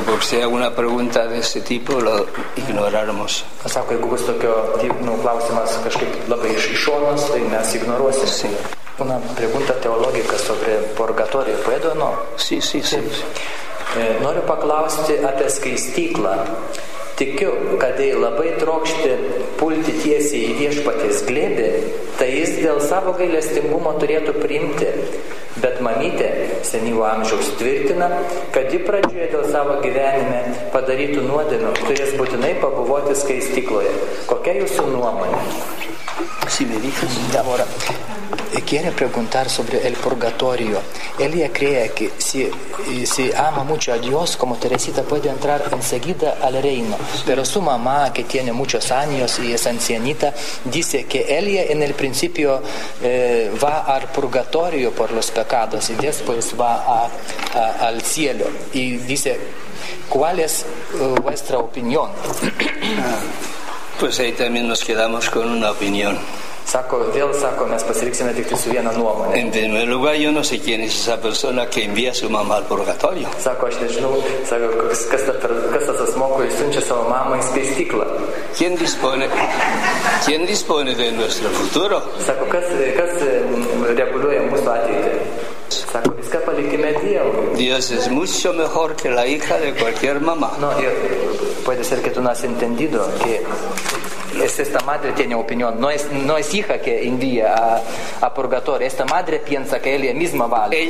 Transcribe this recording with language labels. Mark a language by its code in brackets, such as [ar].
[es] porque si hay alguna pregunta de ese tipo, lo ignoráramos. Sí. Una pregunta teológica sobre purgatorio, ¿puedo o no? Sí, sí, sí. [lt] Noriu paklausti apie skaistyklą. Tikiu, kad jei labai trokšti pulti tiesiai į viešpaties glėbį, tai jis dėl savo gailestingumo turėtų priimti. Bet mamytė, senyvo amžiaus, tvirtina, kad ji pradžioje dėl savo gyvenime padarytų nuodėmių, turės būtinai pabuvoti skaistykloje. Kokia jūsų nuomonė? Dabar. [es] Quiere preguntar sobre el purgatorio. Ella cree que si ama mucho a Dios, como Teresita, puede entrar enseguida al reino. Pero su mamá, que tiene muchos años y es ancianita, dice que ella en el principio va al purgatorio por los pecados y después va al cielo. Y dice, ¿cuál es vuestra opinión? Pues ahí también nos quedamos con una opinión. [lt] Sako, vėl sako, mes pasiliksime tik su viena nuomonė. [es] En primer lugar, yo no sé quién es esa persona que envía a su mamá al purgatorio. [lt] Sako, aš nežinau, sako, kas tas asmuo, kuris siunčia savo mamą į skaistyklą. [es] ¿Quién dispone de nuestro futuro? [lt] Sako, kas reguliuoja mūsų ateitį. Sako, viską palikime Dievui. [es] Dios es mucho mejor que la hija de cualquier mamá. No, ir puede ser que tú no has entendido que... Esta madre tiene opinión, no es hija que envía a purgatorio, esta madre piensa que ella misma vale.